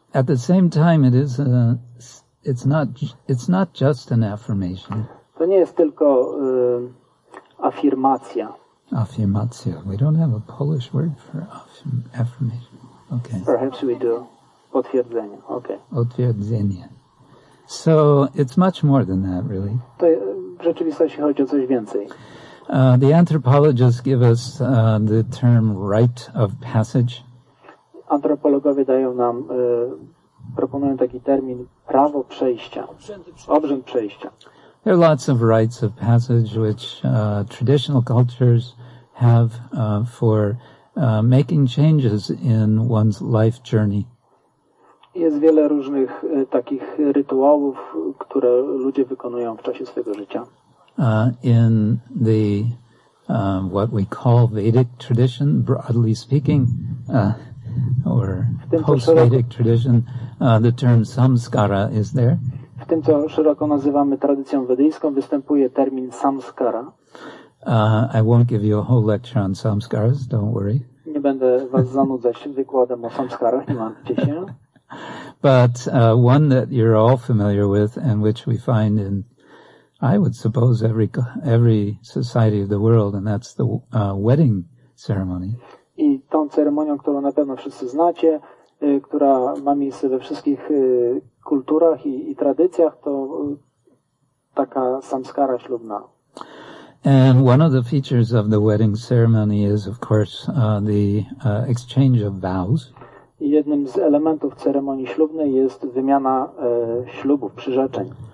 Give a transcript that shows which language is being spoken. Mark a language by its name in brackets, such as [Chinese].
[English] At the same time, it's not just an affirmation. [Polish] To nie jest tylko afirmacja. Afirmacja. [English] We don't have a Polish word for affirmation. Okay. Perhaps we do. Potwierdzenie. Okay. [Polish] Otwierdzenie. [English] So it's much more than that, really. [Polish] To w rzeczywistości chodzi o coś więcej. [English] The anthropologists give us the term rite of passage. [Polish] Antropologowie dają nam, proponują taki termin prawo przejścia, obrzęd przejścia. [English] There are lots of rites of passage which traditional cultures have for making changes in one's life journey. [Polish] Jest wiele różnych takich rytuałów, które ludzie wykonują w czasie swojego życia. [English] In the what we call Vedic tradition, broadly speaking, or post-Vedic tradition, the term samskara is there. [Polish] W tym, co szeroko nazywamy tradycją wedyjską, występuje termin samskara. [English] I won't give you a whole lecture on samskaras, don't worry. [Polish] Nie będę was zanudzać wykładem o samskarach, nie martwcie się. [English] But one that you're all familiar with and which we find in, I would suppose, every society of the world, and that's the wedding ceremony. [Polish] I tą ceremonią, którą na pewno wszyscy znacie, która ma miejsce we wszystkich kulturach i tradycjach, to taka samskara ślubna. [English] And one of the features of the wedding ceremony is, of course, the exchange of vows. [Polish] I jednym z elementów ceremonii ślubnej jest wymiana ślubów, przyrzeczeń.